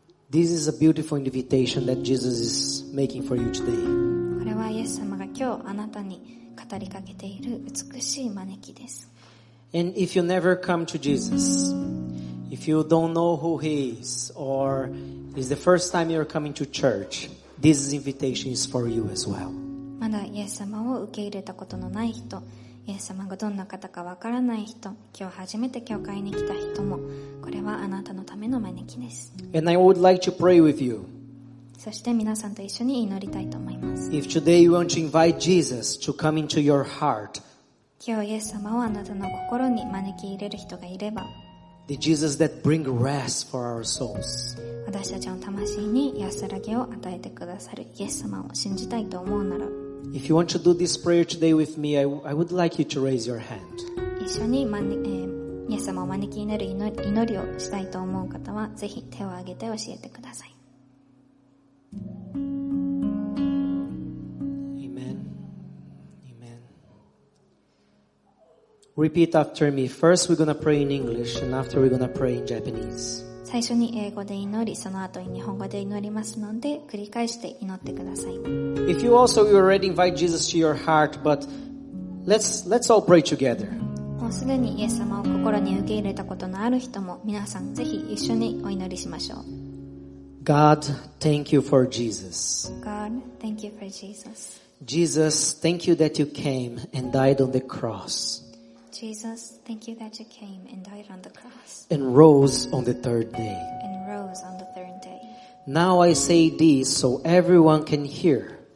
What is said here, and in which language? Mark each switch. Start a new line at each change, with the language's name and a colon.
English: This is a beautiful invitation that Jesus is making for you today.
Japanese: イエス様が今日あなたに語りかけている美しい招きです。
English: And if you never come to Jesus, if you don't know who he is, or is the first time you're coming to church, this invitation is for you as well.
Japanese: まだイエス様を受け入れたことのない人、イエス様がどんな方かわからない人、今日初めて教会に来た人も、これはあなたのための招きです。
English: And I would like to pray with you.
Japanese: そして皆さんと一緒に祈りたいと思います。
English: If today you want to invite Jesus to come into your heart,
Japanese: 今日イエス様をあなたの心に招き入れる人がいれば、
English: The Jesus that brings rest for our souls,
Japanese: 私たちの魂に安らぎを与えてくださるイエス様を信じたいと思うなら、
English: If you want to do this prayer today with me, I would like you to raise your hand.
Japanese: 一緒にイエス様を招き入れる祈りをしたいと思う方は、ぜひ手を挙げて教えてください。
English: Amen. Amen. Repeat after me. First, we're gonna pray in English, and after we're gonna pray in Japanese.
Japanese: 最初に英語で祈り、その後に日本語で祈りますので、繰り返して祈ってください。
English: If you also already invite Jesus to your heart, but let's all pray together.
Japanese: もうすでにイエス様を心に受け入れたことのある人も、皆さんぜひ一緒にお祈りしましょう。
English: God, thank you for Jesus. God, thank you for Jesus. Jesus, thank you that you came and died on the cross. Jesus, thank you that you came and died on the cross. And rose on the third day. And rose on the third day. Now I say this so everyone can hear.